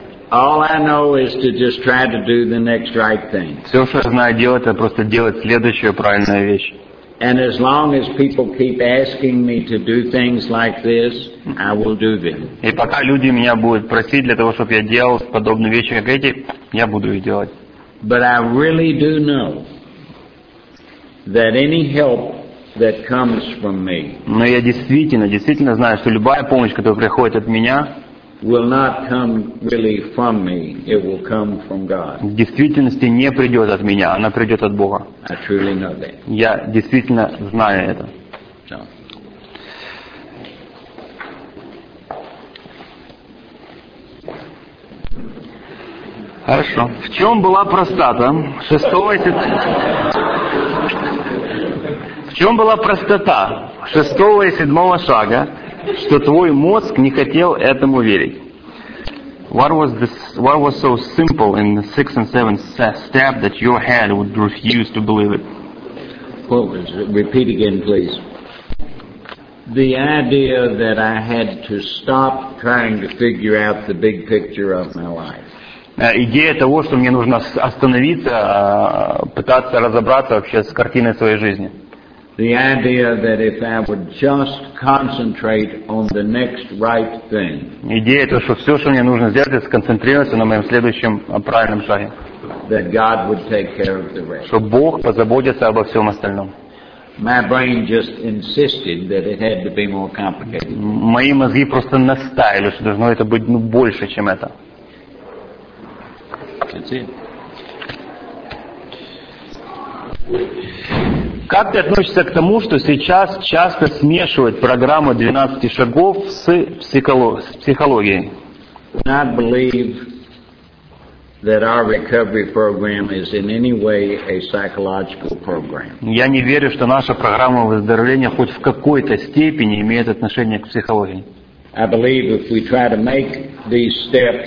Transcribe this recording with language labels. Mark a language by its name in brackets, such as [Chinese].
[English] All I know is to just try to do the next right thing. [Russian] Все, что я знаю делать, это просто делать следующую правильную вещь. [English] And as long as people keep asking me to do things like this, I will do them. [Russian] И пока люди меня будут просить для того, чтобы я делал подобные вещи, как эти, я буду их делать. [English] But I really do know that any help that comes from me. [Russian] Но я действительно знаю, что любая помощь, которая приходит от меня, [English] will not come really from me. It will come from God. [Russian] В действительности не придет от меня, она придет от Бога. [English] I truly know that. [Russian] Я действительно знаю это. [English] No. [Russian] Хорошо. В чем была простота? В чем была простота шестого и седьмого шага, что твой мозг не хотел этому верить? [English] What was so simple in the sixth and seventh step that your head would refuse to believe it? What was it? Repeat again, please. The idea that I had to stop trying to figure out the big picture of my life. [Russian] Идея того, что мне нужно остановиться, пытаться разобраться вообще с картиной своей жизни. [English] The idea that if I would just concentrate on the next right thing. [Russian] Идея то, что все, что мне нужно сделать, это сконцентрироваться на моем следующем правильном шаге. [English] That God would take care of the rest. [Russian] Что Бог позаботится обо всем остальном. [English] My brain just insisted that it had to be more complicated. [Russian] Мои мозги просто настаивали, что должно это быть больше, чем это. [English] That's it. [Russian] Как ты относишься к тому, что сейчас часто смешивают программу 12 шагов с психологией? [English] Not believe that our recovery program is in any way a psychological program. [Russian] Я не верю, что наша программа выздоровления хоть в какой-то степени имеет отношение к психологии. [English] I believe if we try to make these steps